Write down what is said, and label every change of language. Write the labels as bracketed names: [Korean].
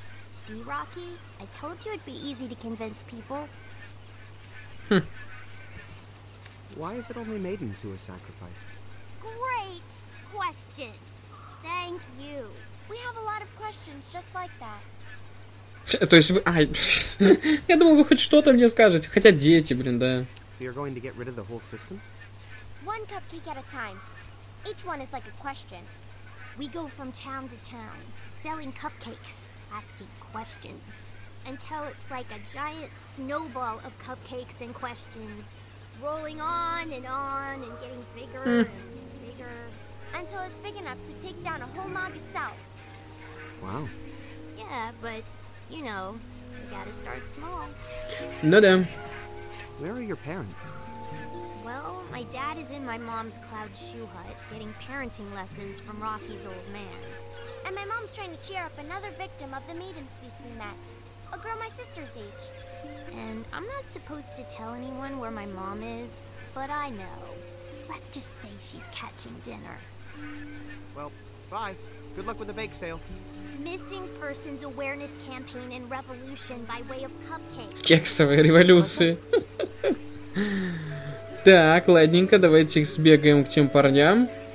[English] See, Rocky? I told you it'd be easy to convince people. Why is it only maidens who are sacrificed? Great question. Thank you. We have a lot of questions just like that. [Russian] То есть вы... Ай, я думал, вы хоть что-то мне скажете. Хотя дети, блин, да. [English] You're going to get rid of the whole system? One cupcake at a time. Each one is like a question. We go from town to town, selling cupcakes, asking questions. Until it's like a giant snowball of cupcakes and questions, rolling on and getting bigger and bigger. Until it's big enough to take down a whole mob itself. Wow. Yeah, but, you know, you gotta start small. No, then. Where are your parents? Well, my dad is in my mom's cloud shoe hut, getting parenting lessons from Rocky's old man. And my mom's trying to cheer up another victim of the Maiden's Feast we met. A girl my sister's age. And I'm not supposed to tell anyone where my mom is, but I know. Let's just say she's catching dinner. Well, bye. Good luck with the bake sale. Missing persons awareness campaign and revolution by way of cupcake. [Russian] Кексовая революция. Так, ладненько, давайте сбегаем к тем парням.